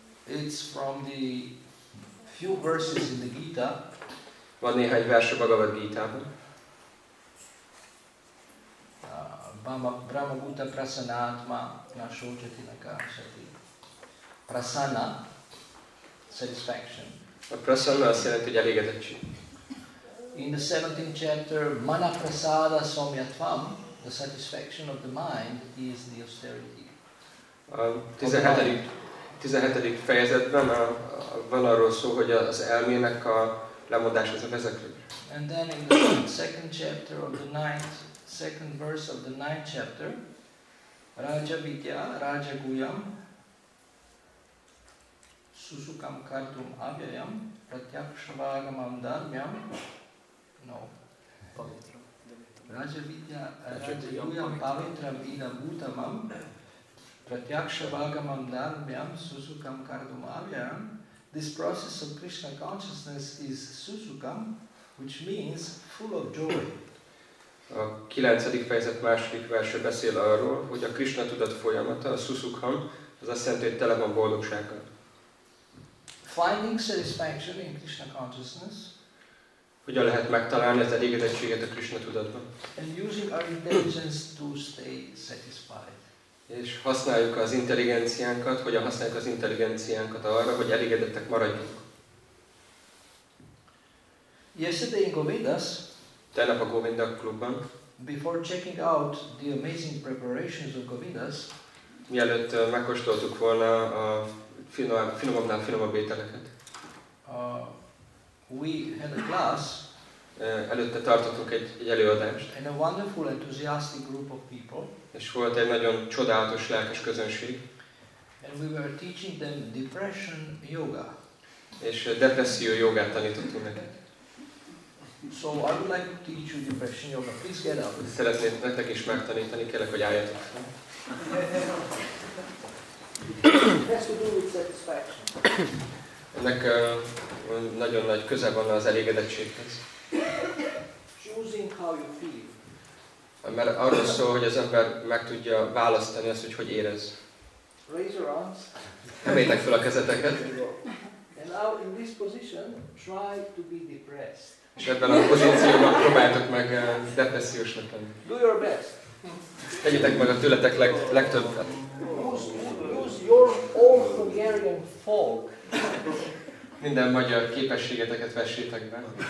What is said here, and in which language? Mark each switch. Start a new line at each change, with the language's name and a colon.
English: It's from the few verses in the Gita.
Hungarian: Van néhány vers a Bhagavad Gita-ban.
Sanskrit: Brahma Bhuta Prasanatma Nashojati Nakashati.
English: Prasanna, satisfaction.
Hungarian: A prasanna azt jelenti, hogy elégedettség.
English: In the 17th chapter,
Sanskrit: Mana Prasada Somyatvam,
English: the satisfaction of the mind is the austerity.
Hungarian: A 17. fejezetben van arról szó, hogy az elmének a lemondása az a vezeklő.
English: And then in the second verse of the ninth chapter,
Sanskrit: Raja Vidya, Raja Guyam, Susukam Kartum Avyayam, Pratyakshavagamam Dharmyam, Raja Vidya, Raja Guyam, Pavitra Vida Bhutamam, Pratyaksha Vagamam Dharmyam, Susukam Kartum Avyayam.
English: This process of Krishna consciousness is Susukam, which means full of joy.
Hungarian: A 9. fejezet második verse beszél arról, hogy a Krishna tudat folyamata, a Susukam, az azt jelenti, hogy tele van boldogsággal.
English: Finding satisfaction in Krishna consciousness.
Hungarian: Hogyan lehet megtalálni az elégedettséget a Krishna tudatban.
English: And using our intelligence to stay satisfied.
Hungarian: És használjuk az intelligenciánkat, hogyan használjuk az intelligenciánkat arra, hogy elégedettek maradjunk.
English: Yesterday in Govindas,
Hungarian: tegnap a Govinda klubban,
English: before checking out the amazing preparations of Govindas,
Hungarian: mielőtt megkóstoltuk volna a finomabbnál finomabb ételeket,
English: we had a class,
Hungarian: előtte tartottunk egy előadást.
English: And a wonderful, enthusiastic group of people.
Hungarian: És volt egy nagyon csodálatos, lelkes közönség.
English: And we were teaching them depression yoga.
Hungarian: És depresszió jogát tanítottunk nekik.
English: So I would like to teach you depression yoga. Please get up.
Hungarian: Szeretném nektek is megtanítani, kérlek, hogy álljatok.
English: It has to do with satisfaction.
Hungarian: Ennek nagyon nagy köze van az elégedettséghez.
English: Choosing how you feel.
Hungarian: Mert arról szól, hogy az ember meg tudja választani azt, hogy érez.
English: Raise your arms.
Hungarian: Emeljétek fel a kezeteket.
English: And now in this position, try to be depressed.
Hungarian: És ebben a pozícióban próbáljátok meg depressziósnak lenni.
English: Do your best.
Hungarian: Tegyétek meg a tőletek legtöbbet.
English: Use your old Hungarian folk.
Hungarian: Minden magyar képességeteket vessétek be.